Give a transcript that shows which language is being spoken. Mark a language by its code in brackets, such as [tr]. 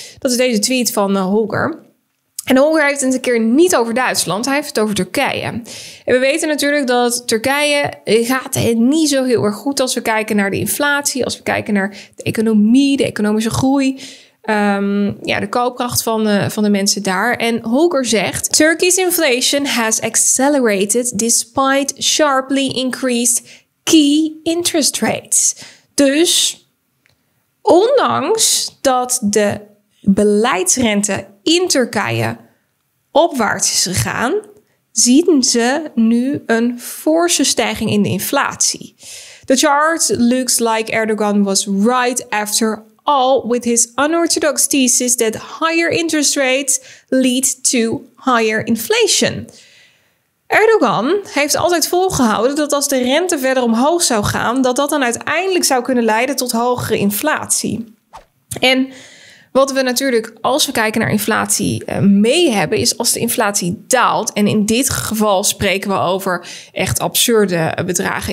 [nl] Dat is deze tweet van Holger. En Holger heeft het een keer niet over Duitsland, hij heeft het over Turkije. En we weten natuurlijk dat Turkije gaat het niet zo heel erg goed als we kijken naar de inflatie, als we kijken naar de economie, de economische groei, de koopkracht van de mensen daar. En Holger zegt, [en] Turkey's inflation has accelerated despite sharply increased key interest rates. [nl] Dus ondanks dat de beleidsrente in Turkije opwaarts is gegaan, zien ze nu een forse stijging in de inflatie. [en] The chart looks like Erdogan was right after all with his unorthodox thesis that higher interest rates lead to higher inflation. [nl] Erdogan heeft altijd volgehouden dat als de rente verder omhoog zou gaan, dat dat dan uiteindelijk zou kunnen leiden tot hogere inflatie. En wat we natuurlijk, als we kijken naar inflatie, mee hebben, is als de inflatie daalt. En in dit geval spreken we over echt absurde bedragen.